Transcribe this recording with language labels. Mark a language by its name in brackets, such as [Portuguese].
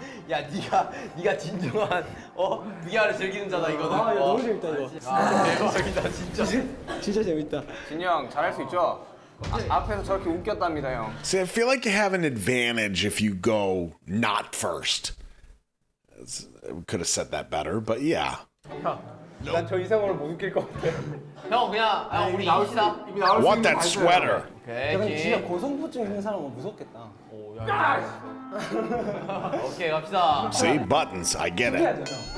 [Korean] 야, 네가 진정한 미아를 즐기는 자다 이거는. 아, 야, 너무 재밌다 이거. 아, 대박이다 진짜. 진짜 재밌다. 진이 형 잘할 수 있죠? 아, 앞에서 저렇게 웃겼답니다 형. [English] See, I feel like you have an advantage if you go not first. Could have said that better, but yeah. [Korean] 형, 난 저 이상으로 못 웃길 것 같아. 형 그냥 아니, 우리 입시다. [English] Want that sweater? [Korean] 오케이, 진짜 고성부증 있는 사람은 무섭겠다. 오, 야, 야. 오케이 갑시다. [English] See buttons, I get it.